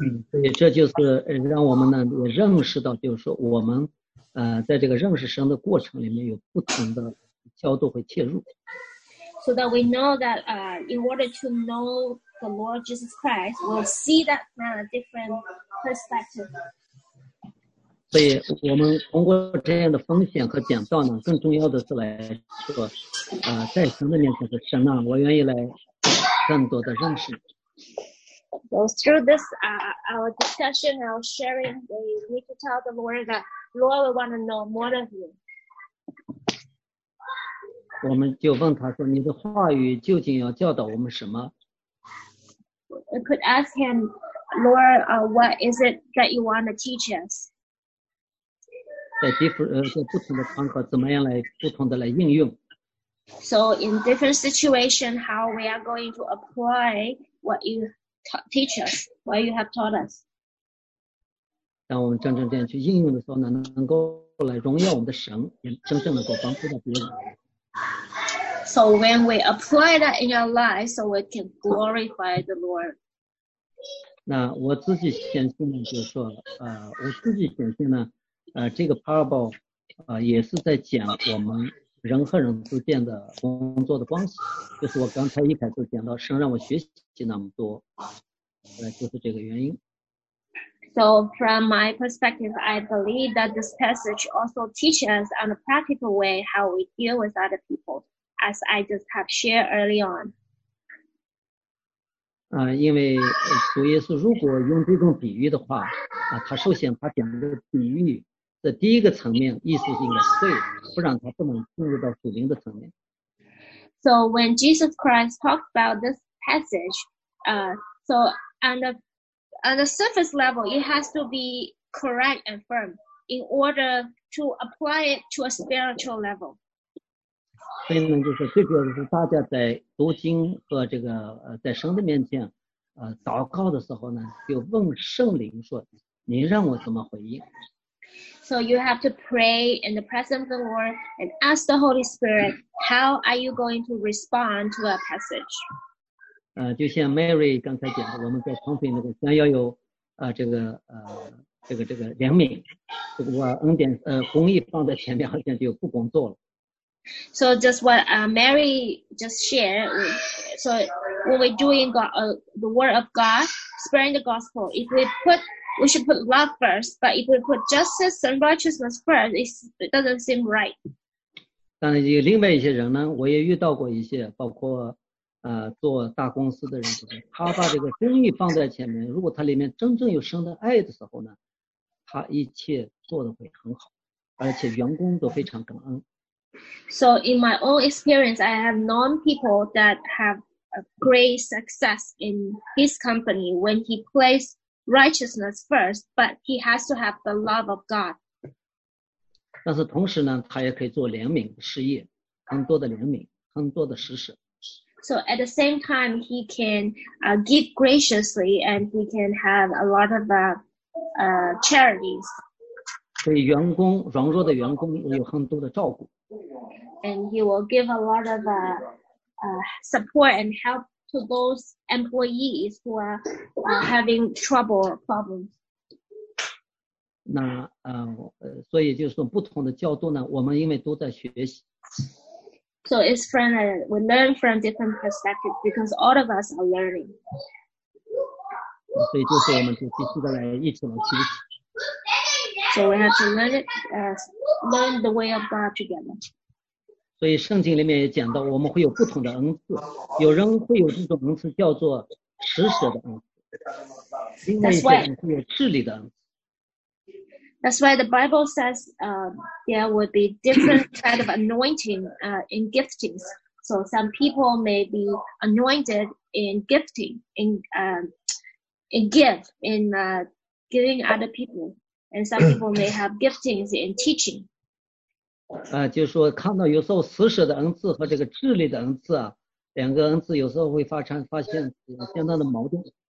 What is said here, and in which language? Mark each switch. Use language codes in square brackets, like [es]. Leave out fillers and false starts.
[zh] 所以这就是让我们呢也认识到，就是说我们在这个认识神的过程里面有不同的角度会切入。 [en] So that we know that in order to know the Lord Jesus Christ, we'll see that from a different perspective. [zh] 所以我们通过这样的分享和讲道呢，更重要的是来说在神的面前的神啊，我愿意来更多的认识。 [en] So through this our discussion, our sharing, we need to tell the Lord that. Lord, we want to know more of you. [zh] 我们就问他说，你的话语究竟要教导我们什么？ [en] We could ask him, Lord, what is it that you want to teach us? [zh] 在不同的场合，怎么样来不同的来应用？ [en] So in different situations, how we are going to apply what you teach us, what you have taught us? [zh] 当我们真正这样去应用的时候呢，能够来荣耀我们的神，也真正能够帮助到别人。 [en] So when we apply that in our life, so we can glorify the Lord. [zh] 那我自己相信呢，就是说，我自己相信呢，这个 parable， 也是在讲我们人和人之间的工作的关系。就是我刚才一开始讲到，神让我学习那么多，就是这个原因。 [en] So from my perspective, I believe that this passage also teaches us on a practical way how we deal with other people, as I just have shared early on. [zh] 因为主耶稣如果用这种比喻的话，他首先他讲的比喻的第一个层面意思是应该对，不然他不能进入到属灵的层面。 [en] So when Jesus Christ talked about this passage, so on the surface level, it has to be correct and firm in order to apply it to a spiritual level. [zh] 所以呢，就是最主要的是大家在读经和这个在神的面前，祷告的时候呢，就问圣灵说：“您让我怎么回应？” [en] So you have to pray in the presence of the Lord and ask the Holy Spirit, how are you going to respond to a passage? [zh] 就像 Mary 刚才讲的，我们在旁边那个想要有这个怜悯，如果恩典公义放在前面，好像就不工作了。 [en] So just what Mary just shared, so when we're doing the word of God, spreading the gospel, if we should put love first, but if we put justice and righteousness first, it doesn't seem right. [zh] 当然有另外一些人呢，我也遇到过一些，包括做大公司的人，他把这个公义放在前面，如果他里面真正有神的爱的时候呢，他一切做得会很好，而且员工都非常感恩。 [en] So in my own experience, I have known people that have a great success in his company when he placed righteousness first, but he has to have the love of God. [zh] 但是同时呢，他也可以做怜悯事业，很多的怜悯，很多的施舍。 [en] So at the same time, he can give graciously and he can have a lot of charities. [zh] 对员工，软弱的员工也有很多的照顾。 [en] And he will give a lot of support and help to those employees who are having trouble or problems. [zh] 那所以就是说不同的教导呢，我们因为都在学习。 [en] So it's from we learn from different perspectives because all of us are learning. [zh] 所以就是我们就继续的来一起来学习。 [en] So we have to learn it, learn the way of God together. [zh] 所以圣经里面也讲到，我们会有不同的恩赐，有人会有这种恩赐叫做施舍的恩赐，另外一些人会有治理的恩赐。 [en] That's why the Bible says, there would be different kind of anointing, in giftings. So some people may be anointed in gifting, giving other people. And some people may have giftings in teaching. [zh] 就是说看到有时候施舍的恩赐和这个治理的恩赐啊，两个恩赐有时候会发现相当的矛盾。